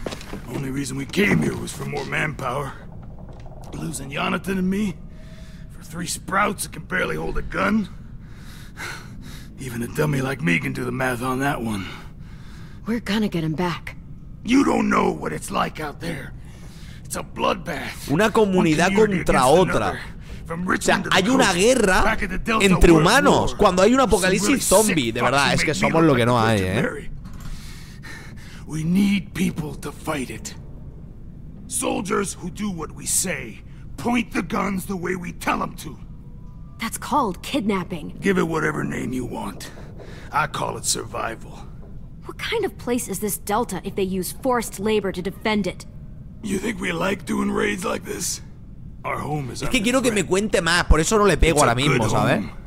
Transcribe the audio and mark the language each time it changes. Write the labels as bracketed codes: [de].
[en] The only reason we came here was for more manpower. Losing Jonathan and me for three sprouts that can barely hold a gun. Even a dummy like me can do the math on that one. We're gonna get him back. You don't know what it's like out there. It's a bloodbath. [es] Una comunidad contra otra. O sea, hay una guerra entre humanos cuando hay un apocalipsis zombie. De verdad, es que somos lo que no hay, ¿eh? [en] We need people to fight it. Soldiers who do what we say. Point the guns the way we tell them to. That's called kidnapping. Give it whatever name you want. I call it survival. What kind of place is this Delta if they use forced labor to defend it? You think we like doing raids like this? Our home is [es] es que quiero que me cuente más, por eso no le pego ahora mismo, ¿sabes?